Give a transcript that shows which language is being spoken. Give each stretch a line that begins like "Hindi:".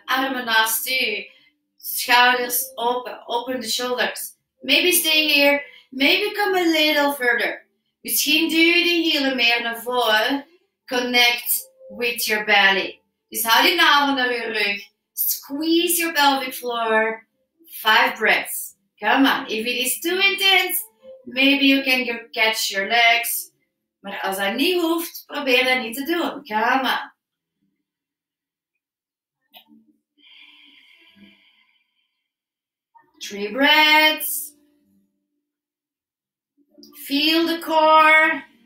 Dutch: Armen naast u. Schouders open. Open de shoulders.
English: Maybe stay here. Maybe come a little further.
Dutch: Misschien duw je de hielen meer naar voren.
English: Connect with your belly.
Dutch: Dus haal je navel naar je rug.
English: Squeeze your pelvic floor. 5 breaths. Come on. If it is too intense, maybe you can catch your legs.
Dutch: Maar als dat niet hoeft, probeer dat niet te doen.
English: Come on. Three breaths. Feel the core.